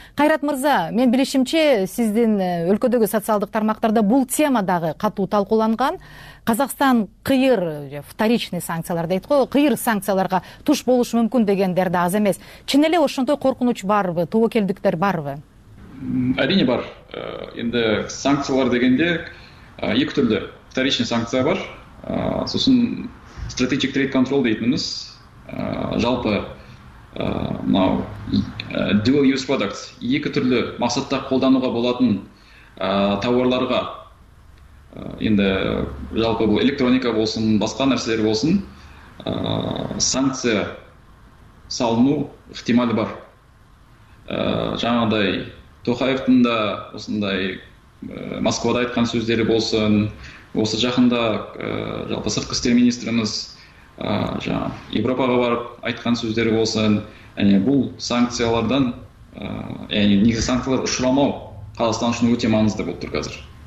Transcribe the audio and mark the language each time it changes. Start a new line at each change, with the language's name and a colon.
Kyrgyz: Кайрат мырза, мен билишимче сиздин өлкөдөгү социалдык тармактарда бул тема дагы катуу талкууланган. Казакстан кыйыр же вторичный санкциялар дейт го, кыйыр санкцияларга туш болушу мүмкүн дегендер да аз эмес. Чын эле ошондой коркунуч барбы, тобокелдиктер барбы?
Kazakh: Әрине бар. Енді санкциялар дегенде екі түрлі вторичный санкция бар. Сосын strategic trade control дейтініміз, жалпы мынау dual use products, екі түрлі мақсатта қолдануға болатын товарларға енді жалпы бұл электроника болсын, басқа нәрселер болсын, санкция салыну ықтималы бар. Жаңағыдай Тоқаевтың да осындай Москвада айтқан сөздері болсын, осы жақында жалпы сыртқы істер министріміз жаңағы Европаға барып айтқан сөздері болсын, яғни бұл санкциялардан, яғни негізі санкциялар ұшырамау Қазақстан үшін өте маңызды болып тұр қазір.